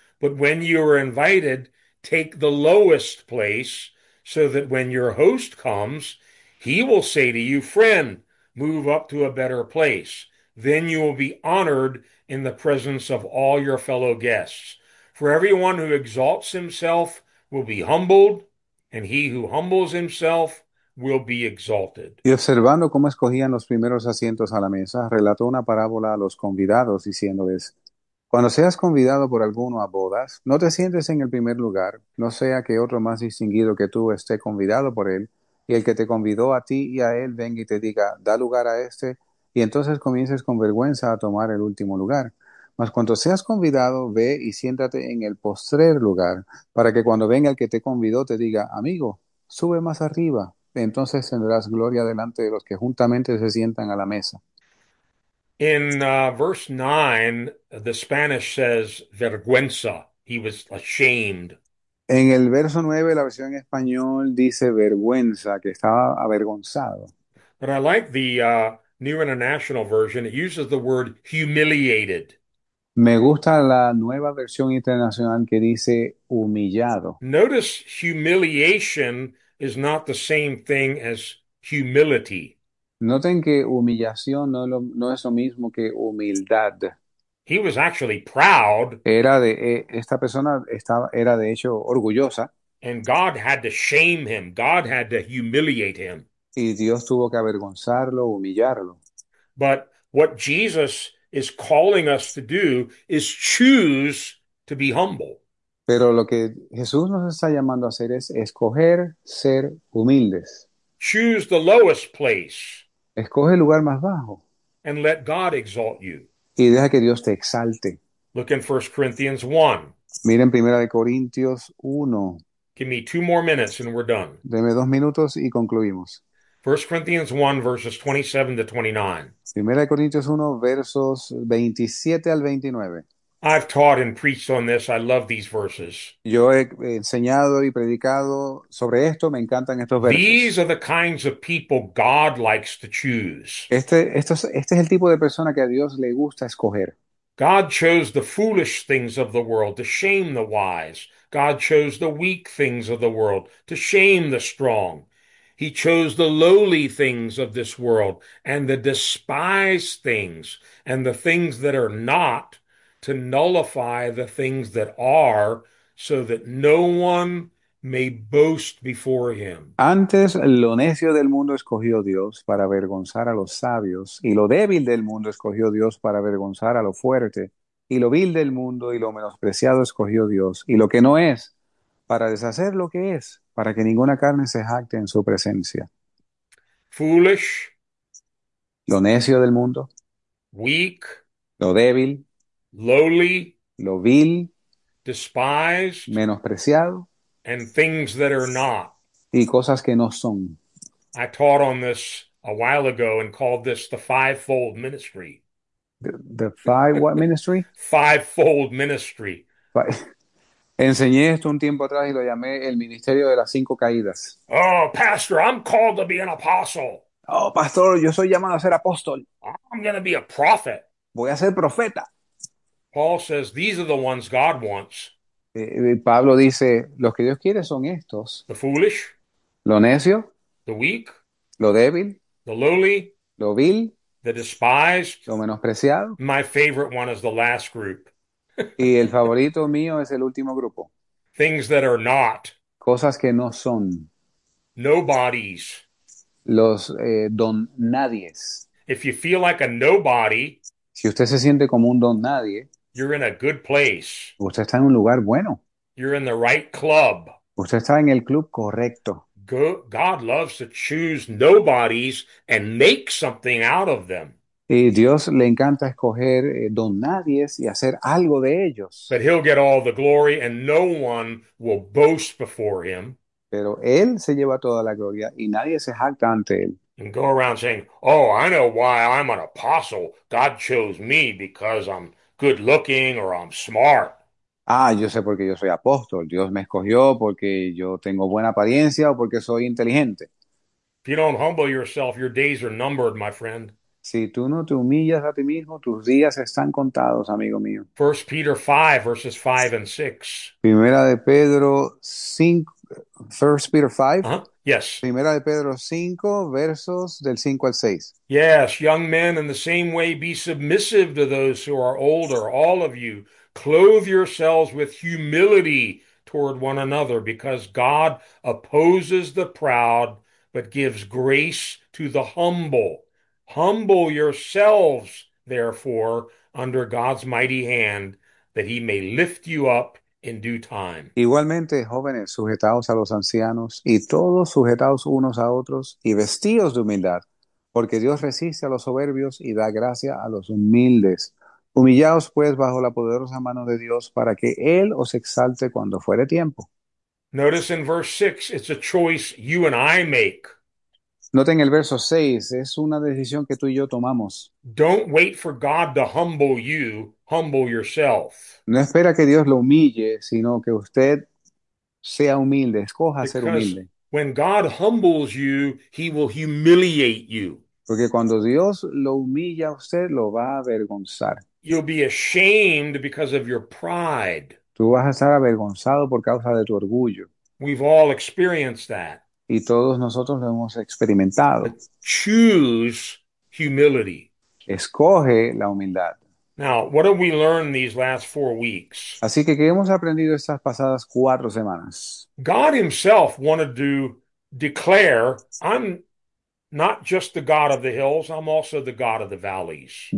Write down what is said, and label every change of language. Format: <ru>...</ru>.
<en>But when you are invited, take the lowest place so that when your host comes, he will say to you, "Friend, move up to a better place." Then you will be honored in the presence of all your fellow guests. For everyone who exalts himself will be humbled, and he who humbles himself will be exalted.</en> <es>Y observando cómo escogían los primeros asientos a la mesa, relató una parábola a los convidados, diciéndoles: Cuando seas convidado por alguno a bodas, no te sientes en el primer lugar, no sea que otro más distinguido que tú esté convidado por él, y el que te convidó a ti y a él venga y te diga, da lugar a este, y entonces comiences con vergüenza a tomar el último lugar. Mas cuando seas convidado, ve y siéntate en el postrer lugar, para que cuando venga el que te convidó te diga, amigo, sube más arriba. Entonces tendrás gloria delante de los que juntamente se sientan a la mesa.</es> <en>In verse 9, the Spanish says vergüenza. He was ashamed.</en> <es>En el verso 9, la versión en español dice vergüenza, que estaba avergonzado.</es> <en>But I like the New International Version. It uses the word humiliated.</en> <es>Me gusta la nueva versión internacional que dice humillado.</es> <en>Notice humiliation is not the same thing as humility.</en> <es>Noten que humillación no es lo mismo que humildad.</es> <en>He was actually proud,</en> <es>Esta persona era de hecho orgullosa.</es> <en>and God had to shame him. God had to humiliate him.</en> <es>Y Dios tuvo que avergonzarlo, humillarlo.</es> <en>But what Jesus is calling us to do is choose to be humble.</en> <es>Pero lo que Jesús nos está llamando a hacer es escoger ser humildes.</es> <en>Choose the lowest place</en> <es>Escoge el lugar más bajo</es> <en>and let God exalt you.</en> <es>y deja que Dios te exalte.</es> <en>Look in 1 Corinthians 1.</en> <es>Miren Primera de Corintios 1.</es> <en>Give me 2 more minutes and we're done.</en> <es>Deme 2 minutos y concluimos.</es> <en>1 Corinthians 1, verses 27 to 29.</en> <es>Primera de Corintios 1, versos 27 al 29.</es> <en>I've taught and preached on this. I love these verses.</en> <es>Yo he enseñado y predicado sobre esto. Me encantan estos</es> <en>These</en> <es>versos.</es> <en>are the kinds of people God likes to choose.</en> <es>Este es el tipo de persona que a Dios le gusta escoger.</es> <en>God chose the foolish things of the world to shame the wise. God chose the weak things of the world to shame the strong. He chose the lowly things of this world and the despised things and the things that are not to nullify the things that are, so that no one may boast before him.</en> <es>Antes lo necio del mundo escogió Dios para avergonzar a los sabios, y lo débil del mundo escogió Dios para avergonzar a lo fuerte, y lo vil del mundo y lo menospreciado escogió Dios, y lo que no es, para deshacer lo que es, para que ninguna carne se jacte en su presencia.</es> <en>Foolish,</en> <es>Lo necio del mundo,</es> <en>weak,</en> <es>lo débil,</es> <en>lowly,</en> <es>lo vil,</es> <en>despised,</en> <es>menospreciado.</es> <en>and things that are not.</en> <es>Y cosas que no son.</es> <en>I taught on this a while ago and called this the fivefold ministry. The five what ministry? Fivefold ministry. Five.</en> <es>Enseñé esto un tiempo atrás y lo llamé el ministerio de las cinco caídas.</es> <en>Oh, pastor, I'm called to be an apostle.</en> <es>Oh, pastor, yo soy llamado a ser apóstol.</es> <en>I'm going to be a prophet.</en> <es>Voy a ser profeta.</es> <en>Paul says these are the ones God wants.</en> <es>Pablo dice, los que Dios quiere son estos,</es> <en>The foolish,</en> <es>lo necio,</es> <en>the weak,</en> <es>lo débil,</es> <en>the lowly,</en> <es>lo vil,</es> <en>the despised.</en> <es>lo menospreciado.</es> <en>My favorite one is the last group.</en> <es>Y el favorito mío es el último grupo.</es> <en>Things that are not.</en> <es>Cosas que no son.</es> <en>Nobodies.</en> <es>Los don nadies.</es> <en>If you feel like a nobody,</en> <es>Si usted se siente como un don nadie,</es> <en>you're in a good place.</en> <es>usted está en un lugar bueno.</es> <en>You're in the right club.</en> <es>Usted está en el club correcto.</es> <en>God loves to choose nobodies and make something out of them.</en> <es>Y Dios le encanta escoger don nadies y hacer algo de</es> <en>But he'll get all the glory and no one will boast before him.</en> <es>Pero Él se lleva toda la gloria y nadie se jacta ante Él.</es> <en>And go around saying, oh, I know why I'm an apostle. God chose me because I'm good looking or I'm smart.</en> <es>Ah, yo sé porque yo soy apóstol. Dios me escogió porque yo tengo buena apariencia o porque soy inteligente.</es> <en>If you don't humble yourself, your days are numbered, my friend.</en> <es>Si tú no te humillas a ti mismo, tus días están contados, amigo mío.</es> <en>1 Peter 5, verses 5 and 6.</en> <es>Primera de Pedro 5,</es> <en>First Peter 5. Yes.</en> <es>Primera de Pedro 5, versos del 5 al 6.</es> <en>Yes, young men, in the same way, be submissive to those who are older, all of you. Clothe yourselves with humility toward one another, because God opposes the proud, but gives grace to the humble. Humble yourselves, therefore, under God's mighty hand, that he may lift you up in due time.</en> <es>Igualmente, jóvenes, sujetados a los ancianos y todos sujetados unos a otros y vestidos de humildad, porque Dios resiste a los soberbios y da gracia a los humildes. Humillaos, pues, bajo la poderosa mano de Dios para que Él os exalte cuando fuere tiempo.</es> <en>Notice in verse 6, it's a choice you and I make.</en> <es>Noten el verso 6, es una decisión que tú y yo tomamos.</es> <en>Don't wait for God to humble you, humble yourself.</en> <es>No espera que Dios lo humille, sino que usted sea humilde, escoja ser</es> <en>Because</en> <es>humilde.</es> <en>when God humbles you, he will humiliate you.</en> <es>Porque cuando Dios lo humilla a usted, lo va a avergonzar.</es> <en>You'll be ashamed because of your pride.</en> <es>Tú vas a estar avergonzado por causa de tu orgullo.</es> <en>We've all experienced that.</en> <es>Y todos nosotros lo hemos experimentado.</es> <en>But choose humility.</en> <es>Escoge la humildad.</es> <en>Now, what have we learned these last 4 weeks?</en> <es>Así que, ¿qué hemos aprendido estas pasadas 4 semanas?</es> <en>God himself wanted to declare, I'm not just the God of the hills, I'm also the God of the valleys.</en>